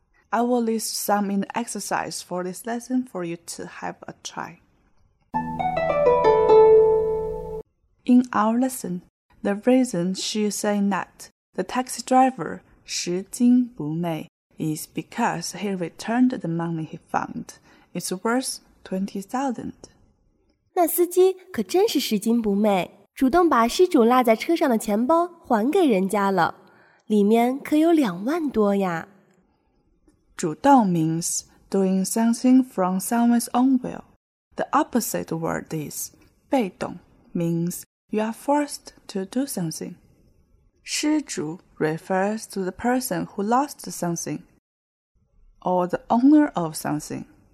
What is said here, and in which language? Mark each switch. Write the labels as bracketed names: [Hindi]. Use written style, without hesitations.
[English] I will list some in the exercise for this lesson for you to have a try. In our lesson, the reason she is saying that the taxi driver [Chinese] 拾金不昧 [English] is because he returned the money he found. It's worth 20,000. [Chinese] 那司机可真是拾金不昧，主动把失主落在车上的钱包还给人家了，里面可有两万多呀。 [English] 主动 means doing something from someone's own will. The opposite word is 被动 means you are forced to do something. 失主 refers to the person who lost something or the owner of something.